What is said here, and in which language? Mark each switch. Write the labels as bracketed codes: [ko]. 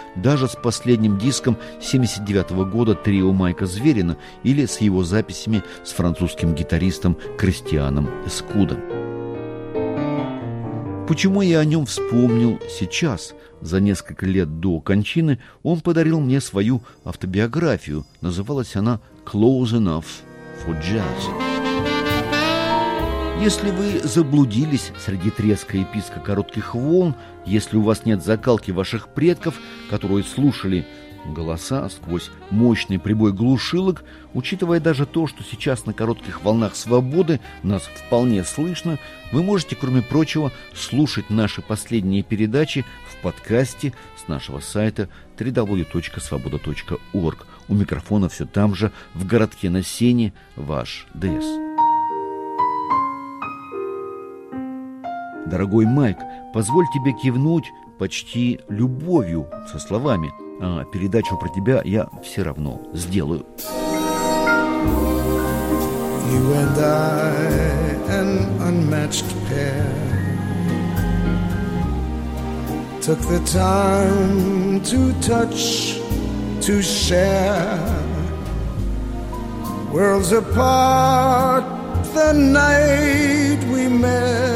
[ru] Даже с последним диском 79-го года трио Майка Зверина или с его записями с французским гитаристом Кристианом Эскудо. Почему я о нем вспомнил сейчас? За несколько лет до кончины он подарил мне свою автобиографию. Называлась она «Close Enough for Jazz». Если вы заблудились среди треска и писка коротких волн, если у вас нет закалки ваших предков, которые слушали голоса сквозь мощный прибой глушилок, учитывая даже то, что сейчас на коротких волнах свободы нас вполне слышно, вы можете, кроме прочего, слушать наши последние передачи в подкасте с нашего сайта www.svoboda.org. У микрофона все там же, в городке на Сене, ваш ДС. Дорогой Майк, позволь тебе кивнуть почти любовью со словами, а передачу про тебя я все равно сделаю. [en] You and I, an unmatched pair, took the time to touch, to share, worlds apart the night we met.